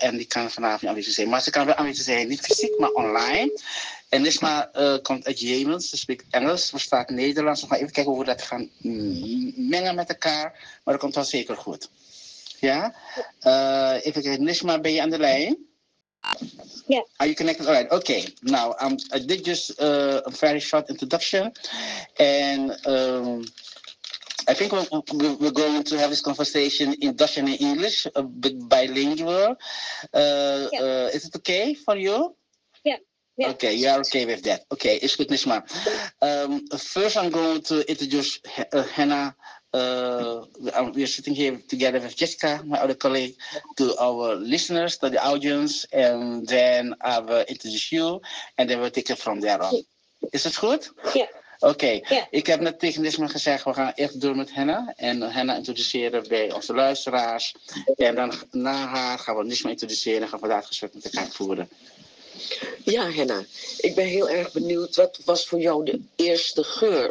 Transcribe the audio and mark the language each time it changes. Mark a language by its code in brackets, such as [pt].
[nl] En die kan vanavond niet aanwezig zijn. Maar ze kan wel aanwezig zijn. Niet fysiek, maar online. En Nushma komt uit Jemen, ze spreekt Engels, verstaat Nederlands. We gaan even kijken hoe we dat gaan mengen met elkaar, maar dat komt wel zeker goed. Ja? Even kijken, Nushma, ben je aan de lijn? Ja. [en] Are you connected? All right, oké. Okay. Nou, I did just a very short introduction. En I think we're going to have this conversation in Dutch and in English, a bit bilingual. Is it okay for you? Yeah. Okay, you are okay with that. Okay, it's good, Nushma. First, I'm going to introduce Henna. We are sitting here together with Jessica, my other colleague, to our listeners, to the audience, and then I will introduce you, and then we'll take it from there on. Is it good? Yeah. Okay. Yeah. [nl] Ik heb net tegen Nushma gezegd, we gaan echt door met Henna, en Henna introduceren bij onze luisteraars, en dan na haar gaan we Nushma introduceren en gaan we daar het gesprek met elkaar voeren. Ja, Henna, ik ben heel erg benieuwd. Wat was voor jou de eerste geur?